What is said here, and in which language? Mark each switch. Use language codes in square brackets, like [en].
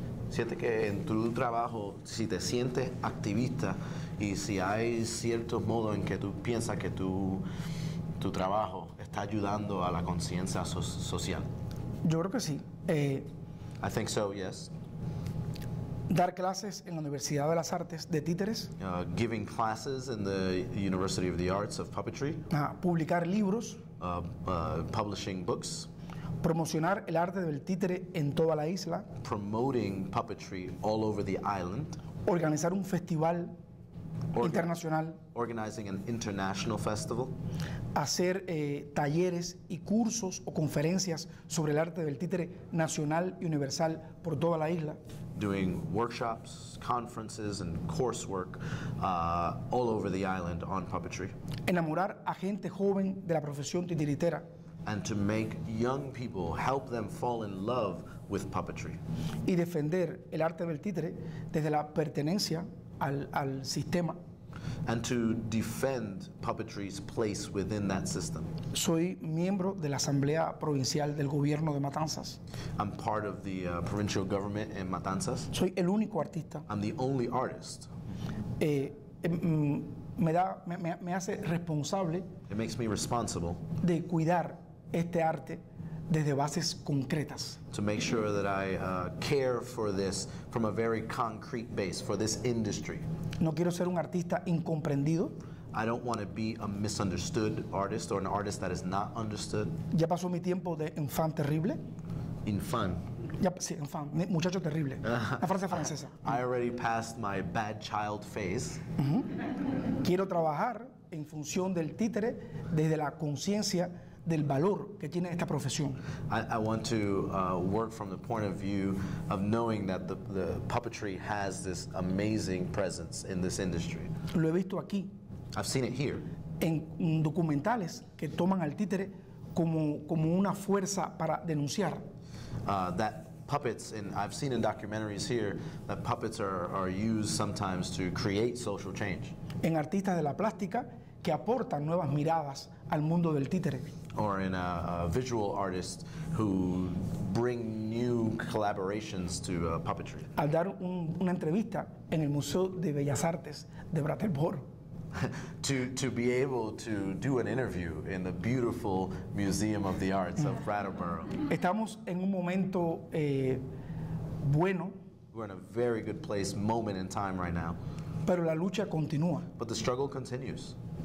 [es] Siente que en tu trabajo, si te sientes activista y si hay ciertos modos en que tú piensas que tu trabajo está ayudando a la conciencia social. Yo creo que sí. [en] I think so, yes. [es] Dar clases en la Universidad de las Artes de Títeres. [en] Giving classes in the University of the Arts of Puppetry. [es] Publicar libros. [en] Publishing books. [es] Promocionar el arte del títere en toda la isla. [en] Promoting puppetry all over the island. [es] Organizar un festival internacional. [en] Organizing an international festival. [es] Hacer talleres y cursos o conferencias sobre el arte del títere nacional y universal por toda la isla. [en] Doing workshops, conferences, and coursework all over the island on puppetry. [es] Enamorar a gente joven de la profesión titiritera. [en] And to make young people, help them fall in love with puppetry. [es] Y defender el arte del títere desde la pertenencia al sistema. [en] And to defend puppetry's place within that system. [es] Soy miembro de la Asamblea Provincial del Gobierno de Matanzas. [en] I'm part of the provincial government in Matanzas. [es] Soy el único artista. [en] I'm the only artist. [es] Me hace responsable. [en] It makes me responsible. [es] De cuidar este arte desde bases concretas. [en] To make sure that I care for this from a very concrete base, for this industry. [es] No quiero ser un artista incomprendido. [en] I don't want to be a misunderstood artist or an artist that is not understood. [es] Ya pasó mi tiempo de [fr] infant terrible. Infant. [es] Ya, sí, infant, muchacho terrible. La frase francesa. [en] I already passed my bad child phase. [es] Quiero trabajar en función del títere desde la conciencia del valor que tiene esta profesión. [en] I want to work from the point of view of knowing that the puppetry has this amazing presence in this industry. [es] Lo he visto aquí. [en] I've seen it here. [es] En documentales que toman al títere como una fuerza para denunciar. [en] That puppets, and I've seen in documentaries here that puppets are used sometimes to create social change. [es] En artistas de la plástica que aportan nuevas miradas al mundo del títere. [en] Or in a visual artist who bring new collaborations to puppetry. [es] Al dar una entrevista en el Museo de Bellas Artes de Brattleboro. [en] to be able to do an interview in the beautiful Museum of the Arts of Brattleboro. [es] Estamos en un momento bueno. [en] We're in a very good place, moment in time right now. [es] Pero la lucha continúa. [en] But the struggle continues.